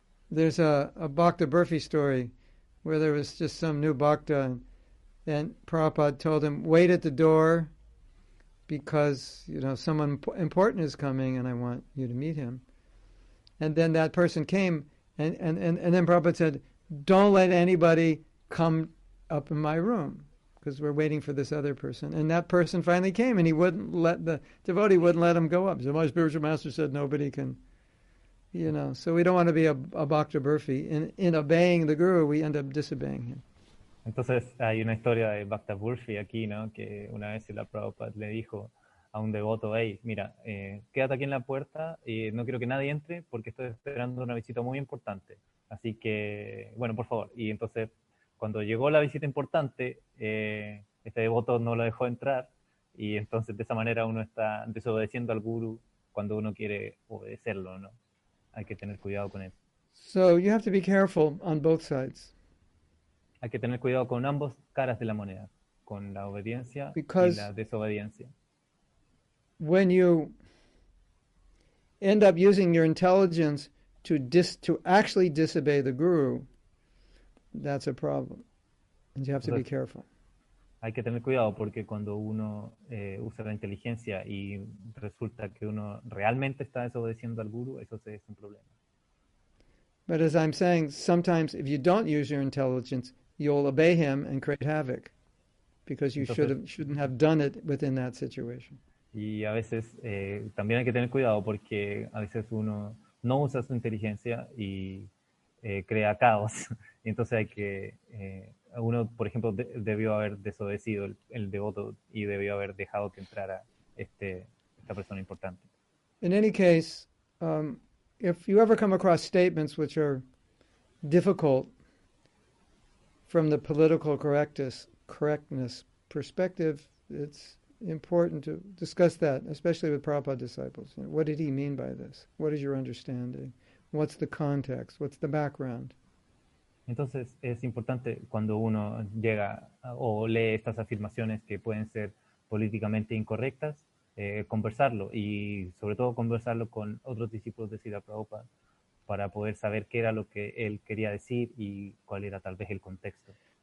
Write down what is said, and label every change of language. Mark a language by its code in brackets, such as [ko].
[en] There's a Bhakta Burfi story where there was just some new Bhakta, and Prabhupada told him, wait at the door, because, you know, someone important is coming and I want you to meet him. And then that person came, and then Prabhupada said, don't let anybody come up in my room, because we're waiting for this other person. And that person finally came, and the devotee wouldn't let him go up. So my spiritual master said, nobody can, you know. So we don't want to be a Bhakta Burfi. In obeying the guru, we end up disobeying him. [es] Entonces, hay una historia de Bhakta Burfi aquí, ¿no? Que una vez Srila Prabhupada le dijo a un devoto, hey, mira, quédate aquí en la puerta, y no quiero que nadie entre, porque estoy esperando una visita muy importante. Así que, bueno, por favor. Y entonces, cuando llegó la visita importante, este devoto no lo dejó entrar, y entonces, de esa manera, uno está desobedeciendo al guru cuando uno quiere obedecerlo, ¿no? Hay que tener cuidado con él. [en] So, you have to be careful on both sides. [es] Hay que tener cuidado con ambos caras de la moneda, con la obediencia y la desobediencia. [en] When you end up using your intelligence to actually disobey the guru, that's a problem. And you have to be careful. [es] Hay que tener cuidado porque cuando uno usa la inteligencia y resulta que uno realmente está desobedeciendo al guru, eso es un problema. [en] But as I'm saying, sometimes if you don't use your intelligence, you'll obey him and create havoc because you shouldn't have done it within that situation. [es] Y a veces también hay que tener cuidado porque a veces uno no usa su inteligencia y crea caos. Y entonces hay que uno, por ejemplo, debió haber desobedecido el devoto y debió haber dejado que entrara esta persona importante. [en] In any case, if you ever come across statements which are difficult from the political correctness perspective, it's important to discuss that, especially with Prabhupada disciples. You know, what did he mean by this? What is your understanding? What's the context? What's the background? [es] Entonces, es importante cuando uno llega o lee estas afirmaciones que pueden ser políticamente incorrectas, conversarlo, y sobre todo conversarlo con otros discípulos de Srila Prabhupada para poder saber qué era lo que él quería decir y cuál era tal vez el contexto.